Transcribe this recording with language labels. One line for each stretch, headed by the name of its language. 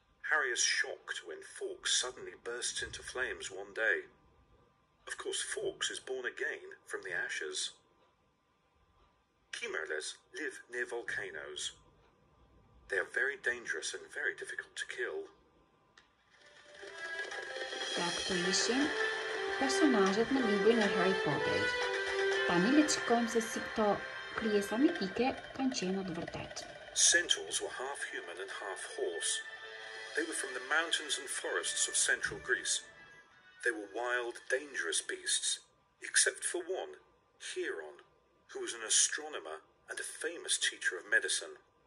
English: Harry is shocked when Forks suddenly bursts into flames one day. Of course, Forks is born again from the ashes. Chimeras live near volcanoes. They are very dangerous and very difficult to kill.
Albanian: Tak të ishin personazhet në librin e Harry Potterit. Tani le të shikojmë se si këto krijesa mitike kanë qenë në të vërtetë.
English: Centaurs were half human and half horse. They were from the mountains and forests of central Greece. They were wild, dangerous beasts, except for one, Chiron, who was an astronomer and a famous teacher of medicine.